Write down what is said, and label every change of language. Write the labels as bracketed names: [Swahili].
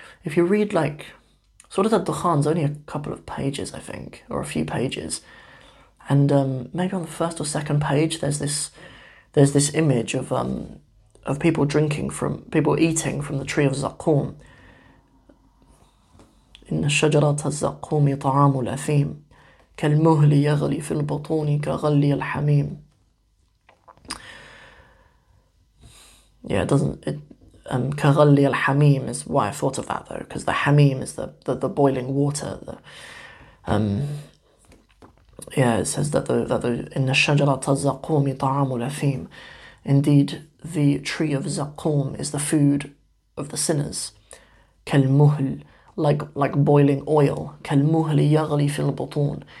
[English] If you read, like, Surah Ad-Dukhan's only a couple of pages, I think, or a few pages, and maybe on the first or second page there's this image of people eating from the tree of Zakum. [Arabic] إن شجرة الزقوم طعام الأثيم كالمهل يغلي في البطون كغلي الحميم. [English] Yeah, [Arabic] كغلي الحميم [English] is why I thought of that though, because the hamim is the boiling water. It says that [Arabic] إن شجرة الزقوم طعام الأثيم. [English] Indeed, the tree of Zakum is the food of the sinners. [Arabic] كالمهل, [English] like boiling oil, [Arabic] كالمهل يغلي في البطون.